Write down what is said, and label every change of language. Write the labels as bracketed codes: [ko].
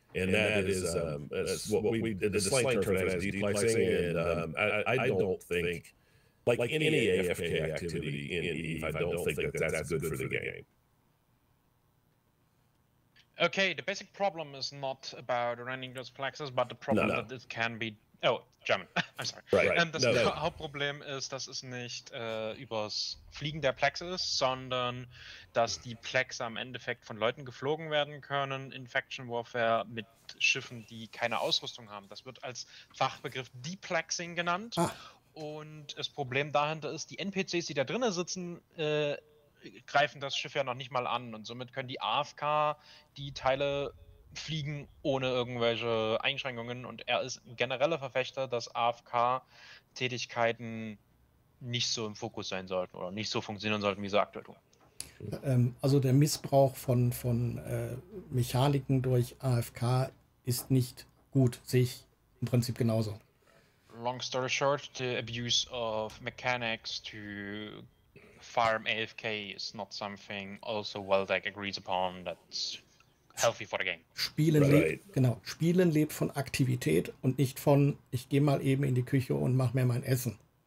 [en] And that is what we did, the slight term is deplexing, and I don't think... Like any AFK activity in EVE, I don't think that's good for the game. Okay, the basic problem is not about running those plexes, but the problem that it can be... [de] Hauptproblem ist, dass es nicht übers Fliegen der Plexe ist, sondern dass die Plexe am Endeffekt von Leuten geflogen werden können in Faction Warfare mit Schiffen, die keine Ausrüstung haben. Das wird als Fachbegriff Deplexing genannt. Und das Problem dahinter ist, die NPCs, die da drinnen sitzen, greifen das Schiff ja noch nicht mal an. Und somit können die AFK die Teile fliegen ohne irgendwelche Einschränkungen. Und er ist ein genereller Verfechter, dass AFK-Tätigkeiten nicht so im Fokus sein sollten oder nicht so funktionieren sollten, wie sie aktuell tun. Also der Missbrauch von Mechaniken durch AFK ist nicht gut, sehe ich im Prinzip genauso. [en] Long story short, the abuse of mechanics to farm AFK is not something also Waldeck agrees upon that's healthy for the game. [de] Spielen lebt von Aktivität und nicht von ich gehe mal eben in die Küche und mach mir mein Essen.